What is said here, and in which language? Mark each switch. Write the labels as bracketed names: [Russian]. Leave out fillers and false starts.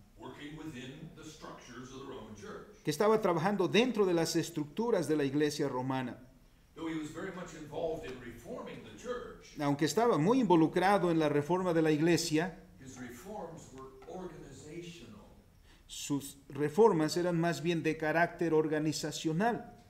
[English] Working within the structures of the Roman Church. [Spanish] Que estaba trabajando dentro de las estructuras de la iglesia romana. [English] Though he was very much involved in reforming the church, [Spanish] aunque estaba muy involucrado en la reforma de la iglesia, [English] his reforms were organizational. [Spanish] Sus reformas eran más bien de carácter organizacional.